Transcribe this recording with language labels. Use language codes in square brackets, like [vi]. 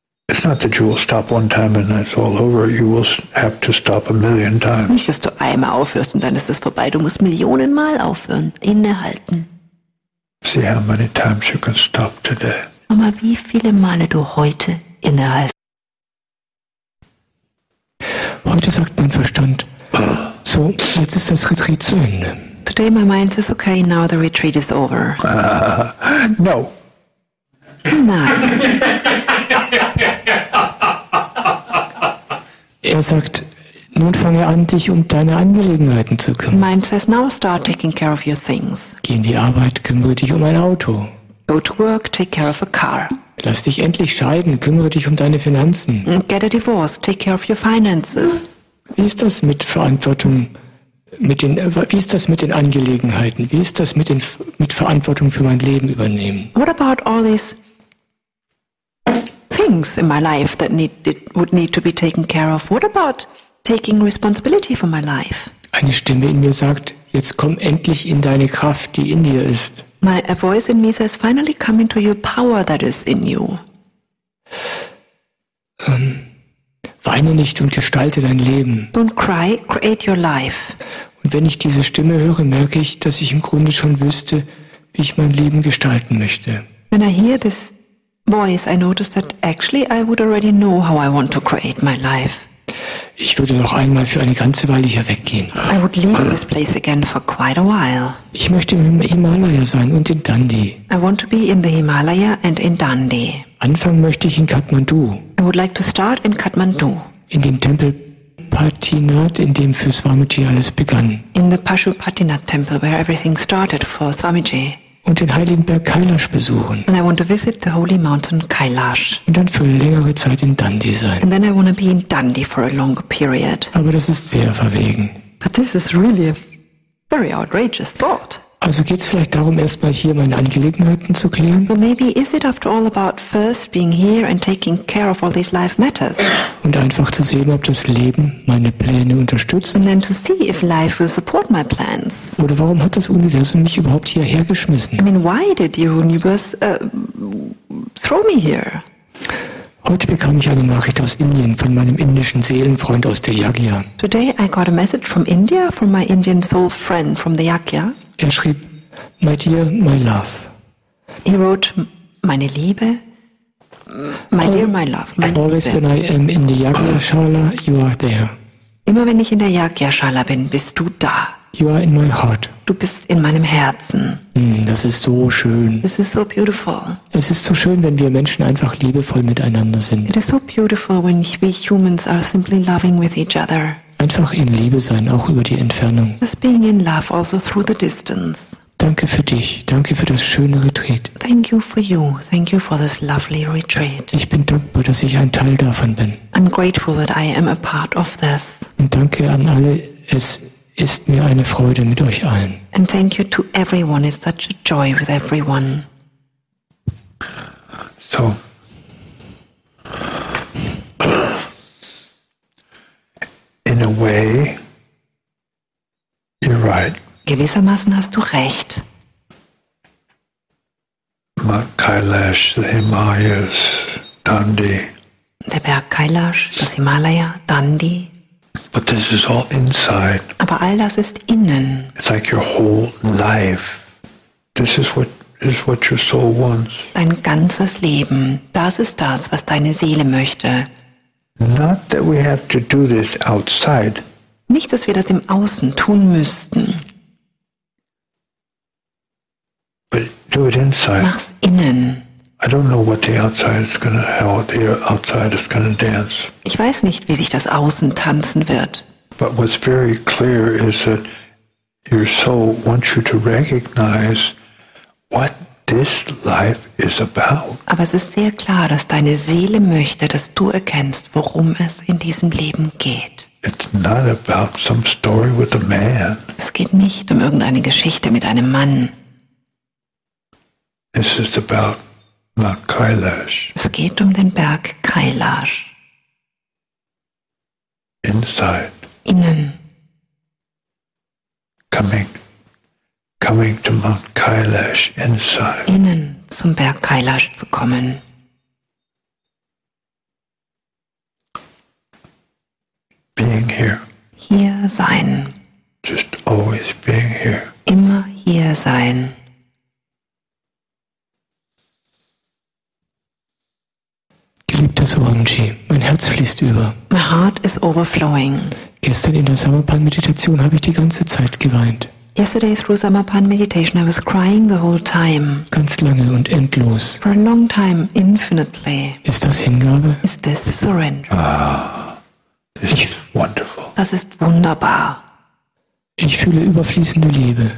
[en] It's not that you will stop one time and it's all over. You will have to stop a million times. [de] Nicht, dass du einmal aufhörst und dann ist es vorbei. Du musst Millionen Mal aufhören, innehalten. [en] See how many times you can stop today. [de] Schau mal, wie viele Male du heute innehalten. Heute sagt mein Verstand, so, jetzt ist das Retreat zu Ende. [en] Today my mind says, okay, now the retreat is over. No. [de] Nein. Er sagt, nun fange an, dich um deine Angelegenheiten zu kümmern. [en] Mind says, now start taking care of your things. [de] Geh in die Arbeit, kümmere dich um ein Auto. [en] Go to work, take care of a car. [de] Lass dich endlich scheiden. Kümmere dich um deine Finanzen. [en] Get a divorce. Take care of your finances. [de] Wie ist das mit Verantwortung? Wie ist das mit den Angelegenheiten? Wie ist das mit Verantwortung für mein Leben übernehmen? [en] What about all these things in my life that would need to be taken care of? What about taking responsibility for my life? [de] Eine Stimme in mir sagt, jetzt komm endlich in deine Kraft, die in dir ist. [en] A voice in me says, finally come into your power that is in you. [de] Weine nicht und gestalte dein Leben. [en] Don't cry, create your life. [de] Und wenn ich diese Stimme höre, merke ich, dass ich im Grunde schon wüsste, wie ich mein Leben gestalten möchte. [en] When I hear this voice, I notice that actually I would already know how I want to create my life. [de] Ich würde noch einmal für eine ganze Weile hier weggehen. [en] I would leave this place again for quite a while. [de] Ich möchte im Himalaya sein und in Dandi. [en] I want to be in the Himalaya and in Dandi. [de] Anfangen möchte ich in Kathmandu. [en] I would like to start in Kathmandu. [de] In dem Tempel Patinath, in dem für Swamiji alles begann. [en] In the Pashupatinath temple where everything started for Swamiji. [de] Und den heiligen Berg Kailash besuchen. [en] And I want to visit the holy mountain Kailash. [de] Und dann für längere Zeit in Dandi sein. [en] And then I want to be in Dandi for a longer period. [de] Aber das ist sehr verwegen. [en] But this is really a very outrageous thought. [de] Also geht's vielleicht darum, erstmal hier meine Angelegenheiten zu klären? [en] So maybe is it after all about first being here and taking care of all these life matters? [de] Und einfach zu sehen, ob das Leben meine Pläne unterstützt? [en] And then to see if life will support my plans. [de] Oder warum hat das Universum mich überhaupt hierher geschmissen? [en] I mean, why did the universe throw me here? [de] Heute bekam ich eine Nachricht aus Indien von meinem indischen Seelenfreund aus der Yagya. [en] Today I got a message from India from my Indian soul friend from the Yagya. [de] Er schrieb, [en] my dear, my love. He wrote, [de] meine Liebe, [en] my dear, my love. [de] Meine [en] always [de] Liebe. [en] When I am in the Yagya Shala, you are there. [de] Immer wenn ich in der Yagya Shala bin, bist du da. [en] You are in my heart. [de] Du bist in meinem Herzen. Das ist so schön. [en] This is so beautiful. [de] Es ist so schön, wenn wir Menschen einfach liebevoll miteinander sind. [en] It is so beautiful when we humans are simply loving with each other. [de] Einfach in Liebe sein, auch über die Entfernung. [en] Just being in love also through the distance. [de] Danke für dich. Danke für das schöne Retreat. [en] Thank you for you. Thank you for this lovely retreat. [de] Ich bin dankbar, dass ich ein Teil davon bin. [en] I'm grateful that I am a part of this. [de] Und danke an alle. Es ist mir eine Freude mit euch allen. [en] And thank you to everyone. It's such a joy with everyone. So. In a way, you're right. [de] Gewissermaßen hast du recht. [en] Mount Kailash, the Himalayas, Dandi. [de] Der Berg Kailash, das Himalaya, Dandi. [en] But this is all inside. [de] Aber all das ist innen. [en] It's like your whole life. This is what your soul wants. [de] Dein ganzes Leben. Das ist das, was deine Seele möchte. [en] Not that we have to do this outside. [de] Nicht, dass wir das im Außen tun müssten. [en] But do it inside. [de] Mach's innen. [en] I don't know what the outside is gonna, how the outside is gonna dance. [de] Ich weiß nicht, wie sich das Außen tanzen wird. [en] But what's very clear is that your soul wants you to recognize what this life is about. [de] Aber es ist sehr klar, dass deine Seele möchte, dass du erkennst, worum es in diesem Leben geht. [en] It's not about some story with a man. [de] Es geht nicht um irgendeine Geschichte mit einem Mann. [en] This is about Mount Kailash. [de] Es geht um den Berg Kailash. [en] Inside. [de] Innen. [en] Coming to Mount Kailash inside. [de] Innen zum Berg Kailash zu kommen. [en] Being here. [de] Hier sein. [en] Just always being here. [de] Immer hier sein. Geliebter Swamiji, mein Herz fließt über. [en] My heart is overflowing. [de] Gestern in der Samapan-Meditation habe ich die ganze Zeit geweint. [en] Yesterday through Samapan meditation, I was crying the whole time. [de] Ganz lange und endlos. [en] For a long time, infinitely. [de] Ist das Hingabe? [en] Is this surrender? Ah, this is wonderful. [de] Das ist wunderbar. Ich fühle überfließende Liebe.